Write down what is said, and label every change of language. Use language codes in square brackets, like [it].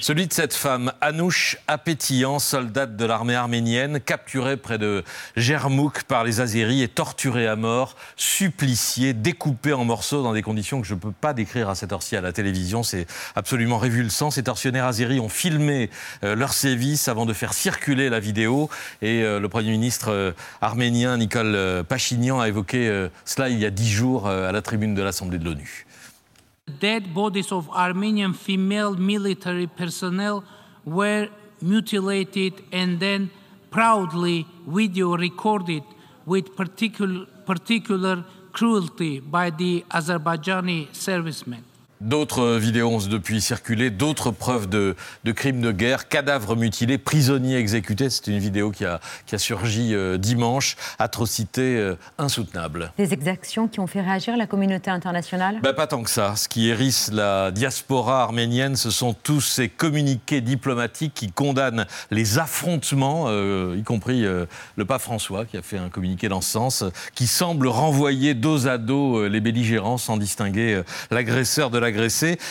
[fr] Celui de cette femme, Anouche Apetian, soldate de l'armée arménienne, capturée près de Jermouk par les Azéris et torturée à mort, suppliciée, découpée en morceaux dans des conditions que je ne peux pas décrire à cette heure-ci à la télévision. C'est absolument révulsant. Ces tortionnaires azéris ont filmé leurs sévices avant de faire circuler la vidéo. Et le Premier ministre arménien, Nicole Pachinian, a évoqué cela il y a 10 jours à la tribune de l'Assemblée de l'ONU. [en] Les dead bodies of Armenian female military personnel were mutilated and then proudly video recorded with particular cruelty by the Azerbaijani servicemen. [fr] D'autres vidéos ont depuis circulé, d'autres preuves de crimes de guerre, cadavres mutilés, prisonniers exécutés. C'est une vidéo qui a surgi dimanche. Atrocité insoutenable. Des exactions qui ont fait réagir la communauté internationale? Ben, pas tant que ça. Ce qui hérisse la diaspora arménienne, ce sont tous ces communiqués diplomatiques qui condamnent les affrontements, y compris le pape François qui a fait un communiqué dans ce sens, qui semble renvoyer dos à dos les belligérants sans distinguer l'agresseur de la l'agresser.